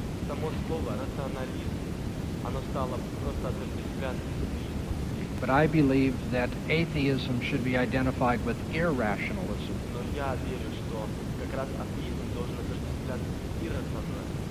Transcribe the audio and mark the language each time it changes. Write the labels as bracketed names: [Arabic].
[Russian] Само слово рационализм, оно стало просто отождествлено с атеизмом. [English] But I believe that atheism should be identified with irrationalism. [Russian] Но я верю, что как раз атеизм должен отождествляться иррационализмом.